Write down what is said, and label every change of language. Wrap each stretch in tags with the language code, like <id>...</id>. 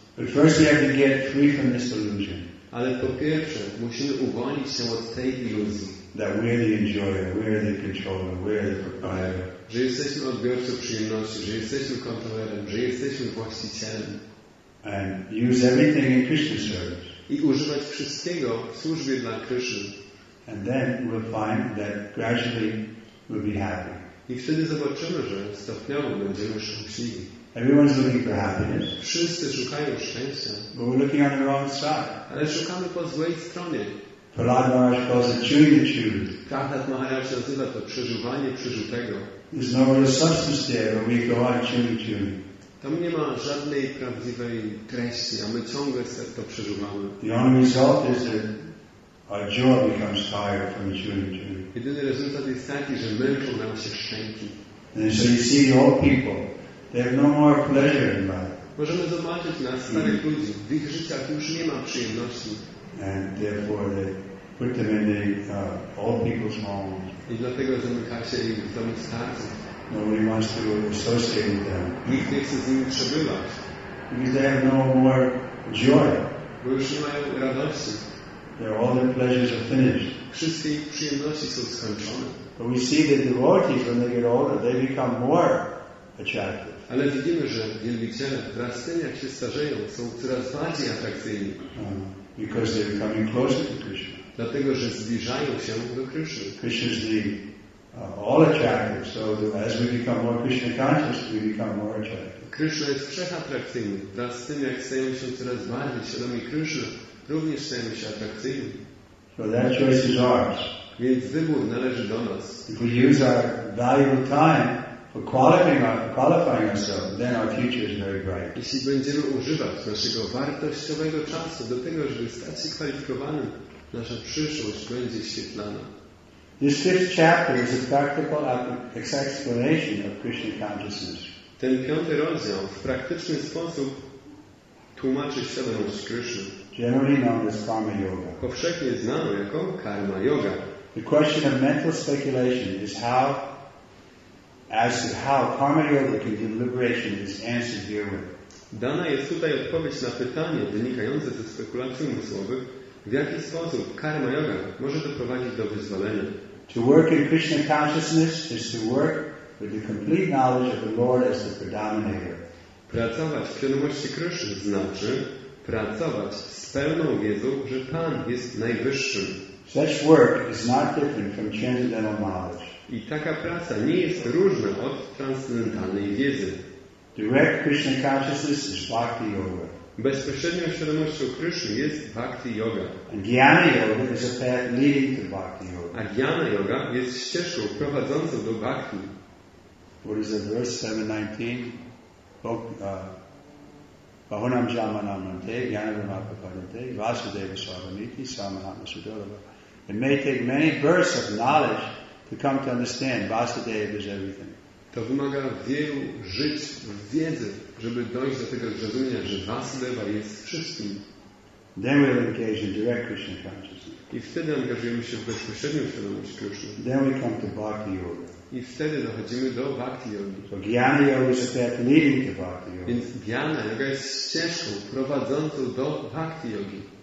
<en>But first we have to get free from this illusion.</en> <pl>Ale po pierwsze, musimy uwolnić się od tej iluzji.</pl> <en>That we're the enjoyer, we're the controller, we're the proprietor.</en> <pl>Że jesteśmy odbiorcą przyjemności, że jesteśmy kontrolerem, że jesteśmy właścicielem.</pl> <en>And use everything in Krishna's service.</en> <pl>I używać wszystkiego w służbie dla Krishna.</pl> <en>And then we'll find that gradually we'll be happy.</en> <pl>I wtedy zobaczymy, że stopniowo będziemy szczęśliwi.</pl> <en>Everyone's looking for happiness.</en> <pl>Wszyscy szukają szczęścia.</pl> <en>But we're looking on the wrong side.</en> <pl>Ale szukamy po złej stronie.</pl> <en>Prahlad Maharaj calls it chewing.</en> <pl>Prahlad Maharaj nazywa to przeżuwanie przeżutego.</pl> <en>There's no real substance there, but we go on chewing.</en> <pl>Tam nie ma żadnej prawdziwej treści, a my ciągle to przeżuwamy.</pl> <en>The only result is that our jaw becomes tired from chewing.</en> <pl>Jedyny rezultat jest taki, że mylą nam się szczęki.</pl> <en>And so you see old people, they have no more pleasure in life.</en> <pl>Możemy zobaczyć na starych ludzi, w ich życiach już nie ma przyjemności.</pl> <en>And therefore they put them in the old people's homes.</en> <pl>I dlatego zamykają się w domach starców.</pl> <en>Nobody wants to associate with them.</en> <pl>Nikt nie chce z nimi przebywać.</pl> <en>Because they have no more joy.</en> <pl>Bo już nie mają radości.</pl> <en>All their pleasures are finished.</en> <pl>Wszystkie ich przyjemności są skończone.</pl> <en>But we see that the devotees, when they get older, they become more attractive.</en> <pl>Ale widzimy, że wielbiciele wraz z tym, jak się starzeją, są coraz bardziej atrakcyjni.</pl> <en>Because they're coming closer to Krishna.</en> <pl>Dlatego, że zbliżają się do Krishna.</pl> <en>Krishna is the all attractive, so as we become more Krishna conscious, we become more attractive.</en> <pl>Krishna jest wszechatrakcyjny. Wraz z tym, jak stajemy się coraz bardziej świadomi Krishna, również stajemy się atrakcyjni.</pl> <en>So that choice is ours.</en> <pl>Więc wybór należy do nas.</pl> <en>If we use our valuable time for qualifying ourselves, then our future is very bright.</en> <pl>Jeśli będziemy używać naszego wartościowego czasu do tego, żeby stać się kwalifikowanym, nasza przyszłość będzie świetlana.</pl> <en>This fifth chapter is a practical explanation of Krishna consciousness.</en> <pl>Ten piąty rozdział w praktyczny sposób tłumaczy świadomość Krishna.</pl> <en>Generally known as karma yoga.</en> <pl>Powszechnie znano jako karma yoga.</pl> <en>The question of mental speculation is how. As to how karma yoga can give liberation is answered herein.</en> <pl>Dana jest tutaj odpowiedź na pytanie wynikające ze spekulacji umysłowych, w jaki sposób karma yoga może doprowadzić do wyzwolenia.</pl> <en>To work in Krishna consciousness is to work with the complete knowledge of the Lord as the predominator.</en> <pl>Pracować w świadomości Krishna znaczy pracować z pełną wiedzą, że Pan jest najwyższym.</pl> <en>Such work is not different from transcendental knowledge.</en> <pl>I taka praca nie jest różna od transcendentalnej wiedzy.</pl> <en>Direct Krishna consciousness is bhakti yoga.</en> <pl>Bezpośrednią świadomością Krishna jest bhakti yoga.</pl> <en>And jnana yoga is a path leading to bhakti yoga.</en> <pl>A jnana yoga jest ścieżką prowadzącą do bhakti.</pl> <en>What is it? Verse 7:19.</en> <sa>Bahunam jamanam nante jnanavimapapadante vasudeva swaramiti samahatma sudolava.</sa> <en>It may take many bursts of knowledge to come to understand Vasudeva is everything.</en> <pl>To wymaga wielu żyć w wiedzy, żeby dojść do tego zrozumienia, że Vasudeva jest wszystkim.</pl> <en>Then we engage in direct Krishna consciousness.</en> <pl>I wtedy angażujemy się w bezpośrednią świadomość Krishna.</pl> <en>Then we come to bhakti yoga.</en> <pl>I wtedy dochodzimy do bhakti yogi.</pl> <en>So jnana yoga is a path leading to bhakti yoga.</en> <pl>Więc jnana yoga jest ścieżką prowadzącą do bhakti yogi.</pl>